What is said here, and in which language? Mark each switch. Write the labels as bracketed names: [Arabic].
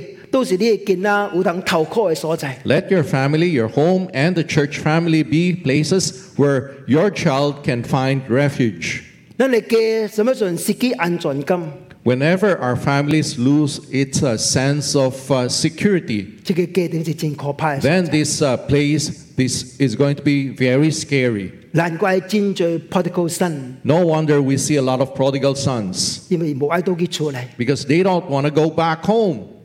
[Min Nan Chinese] 都是你的囡仔有通投靠的所在。 [English] Let your family, your home, and the church family be places where your child can find refuge. [Min Nan Chinese] 咱的家什么时候失去安全感？ [English] Whenever our families lose its sense of security, then this place this is going to be very scary. No wonder we see a lot of prodigal sons. Because they don't want to go back home.